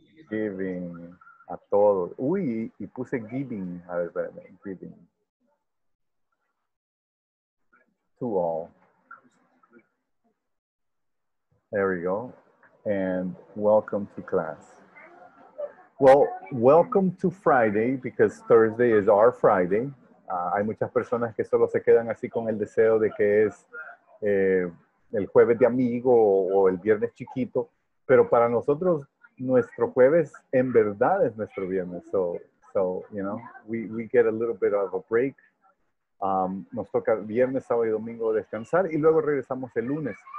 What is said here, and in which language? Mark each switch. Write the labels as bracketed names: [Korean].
[Spanish] Giving a todos. Uy, y puse giving. A ver, espérame. Giving. [English] To all. There we go. And welcome to class. Well, welcome to Friday, because Thursday is our Friday. [Spanish] Hay muchas personas que solo se quedan así con el deseo de que es el jueves de amigo o el viernes chiquito. Pero para nosotros, nuestro jueves en verdad es nuestro viernes. [English] So you know, we get a little bit of a break. [Spanish] Nos toca viernes, sábado y domingo descansar y luego regresamos el lunes.